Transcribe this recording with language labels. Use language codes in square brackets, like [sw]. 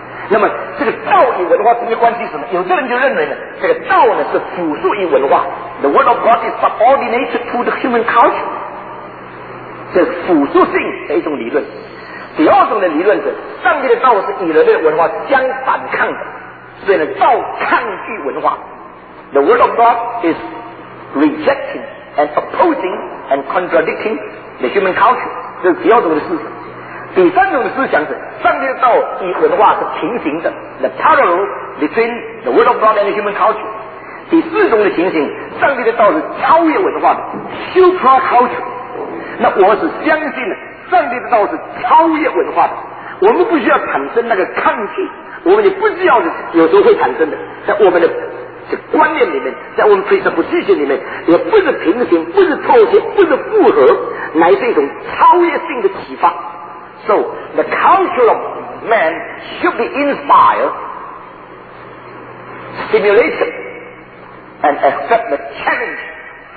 [zh] 那么这个道与文化之间的关系是什么？有的人就认为呢，这个道呢是辅助于文化， [en] The word of God is subordinated to the human culture， [zh] 这是辅助性的一种理论。第二种的理论是，上帝的道是与人类文化相反抗的，所以呢，道抗拒文化。 [en] The word of God is rejecting and opposing and contradicting the human culture。 [zh] 这是第二种的思想。第三种的思想是，上帝的道与文化是平行的 ， [en] the parallel between the word of God and the human culture。 [zh] 第四种的情形，上帝的道是超越文化的 ，supra culture。那我是相信的。上帝的道是超越文化的，我们不需要产生那个抗拒，我们也不需要有时候会产生的，在我们的观念里面，在我们非常不自信里面，也不是平行，不是妥协，不是复合，乃是一种超越性的启发。 [en] So the culture of man should be inspired, stimulated and accept the challenge